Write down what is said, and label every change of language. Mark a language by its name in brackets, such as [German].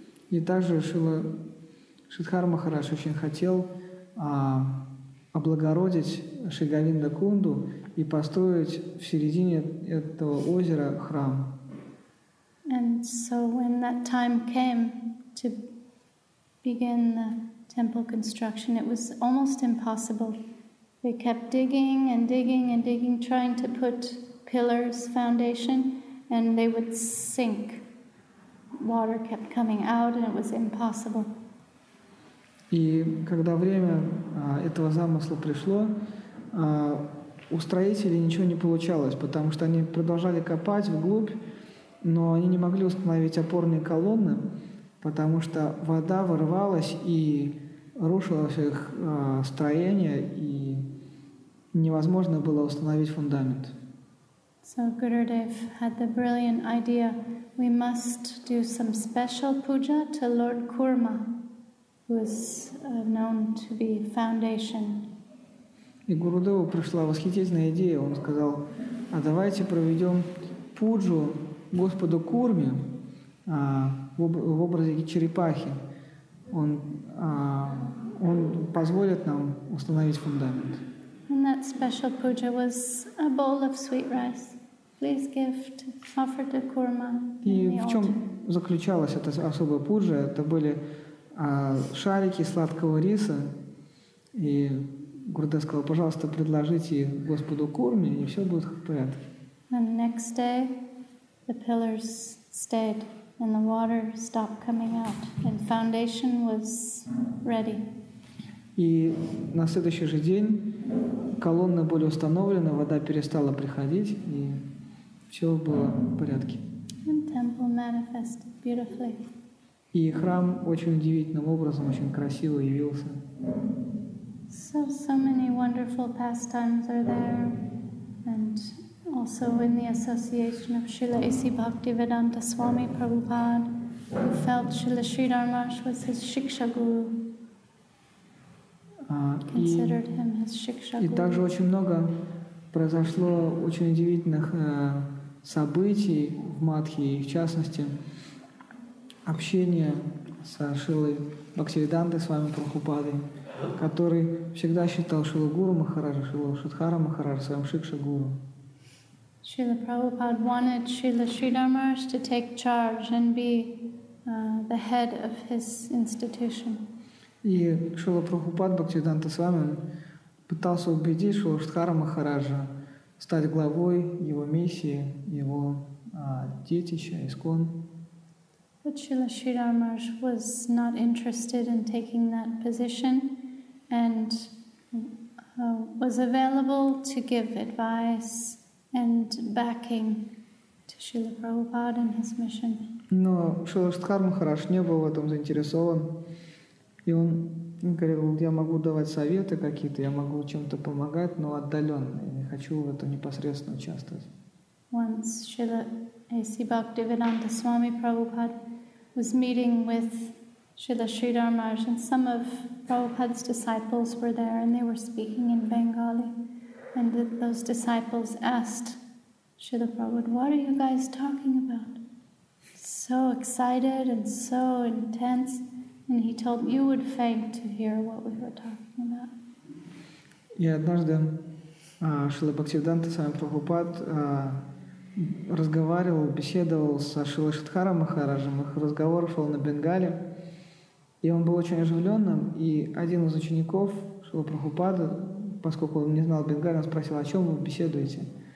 [Russian] И также Шридхар Махарадж очень хотел облагородить Шри Говинда Кунду и построить в середине этого озера храм. [English] And so when that time came to begin the temple construction, it was almost impossible. They kept digging and digging and digging, trying to put pillars, foundation, and they would sink. Water kept coming out, and it was impossible. [Russian] И когда время этого замысла пришло, у строителей ничего не получалось, потому что они продолжали копать вглубь, но они не могли установить опорные колонны, потому что вода вырывалась и рушила все их строение, и невозможно было установить фундамент. [English] So Gurudev had the brilliant idea, we must do some special puja to Lord Kurma, who is known to be foundation. [Russian] И Гурудеву пришла восхитительная идея. Он сказал, а давайте проведем пуджу Господу Курме в образе черепахи. Он позволит нам установить фундамент. [English] And that special puja was a bowl of sweet rice. Please gift, offer to Kurma. [Russian] И в чем заключалась эта особая пуджа? Это были шарики сладкого риса. И Гурудев сказал, пожалуйста, предложите Господу Курме, и все будет в порядке. [English] And next day the pillars stayed and the water stopped coming out and foundation was ready. [Russian] И на следующий же день колонны были установлены, вода перестала приходить, и все было в порядке. [English] And temple manifested beautifully. [Russian] И храм очень удивительным образом, очень красиво явился. [English] So many wonderful pastimes are there. And also in the association of Srila Isi Bhaktivedanta Swami Prabhupada, who felt Srila Sridhar Maharaj was his Shiksha Guru. Considered him his Shiksha Guru. [Russian] И также очень много произошло очень удивительных событий в Мадхи, в частности, общение со Шрилой Бхактивидантой Свами Прабхупадой, который всегда считал Шрилу Гуру Махараджа, Шрилу Шридхара Махараджа своим Шикша Гуру. [English] Шрила Прабхупад wanted Шрила Шридхар Махарадж to take charge and be the head of his institution. [Russian] И Шрила Прабхупад Бхактивиданта Свами пытался убедить Шрилу Шридхара Махараджа стать главой его миссии, его детища, ИСККОН. [English] But Srila Sridhar Maharaj was not interested in taking that position and was available to give advice and backing to Srila Prabhupada and his mission. [Russian] Но Шрила Шридхар Махарадж не был в этом заинтересован. И он говорил, я могу давать советы какие-то, я могу чем-то помогать, но отдаленно, я не хочу в этом непосредственно участвовать. [English] Once Srila A.C. Bhaktivedanta Swami Prabhupada was meeting with Srila Sridhar Maharaj and some of Prabhupada's disciples were there and they were speaking in Bengali. And those disciples asked Srila Prabhupada, what are you guys talking about? So excited and so intense. And he told me, you would faint to hear what we were talking about. [Russian] И однажды Шрила Бхактивиданта Свами Прабхупад разговаривал, беседовал со Шрилой Шридхаром Махараджем, их разговор шел на Бенгале, И он был очень оживленным, и один из учеников Шрилы Прабхупады, поскольку он не знал бенгали, он спросил, о чем вы беседуете?